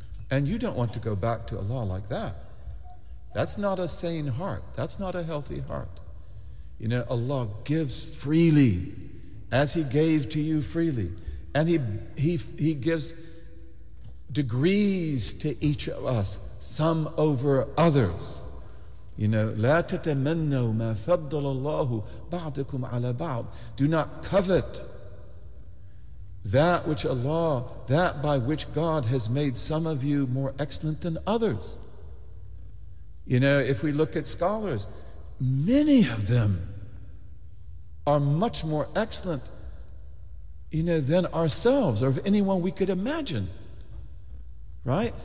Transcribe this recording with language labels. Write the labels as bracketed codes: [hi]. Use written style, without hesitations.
[en] And you don't want to go back to Allah like that. That's not a sane heart. That's not a healthy heart. You know, Allah gives freely as He gave to you freely. And he gives degrees to each of us, some over others. You know, [ar] لا تتمنوا ما فضل الله بعضكم على بعض. [en] Do not covet that which Allah, that by which God has made some of you more excellent than others. You know, if we look at scholars, many of them are much more excellent, you know, than ourselves or of anyone we could imagine, right?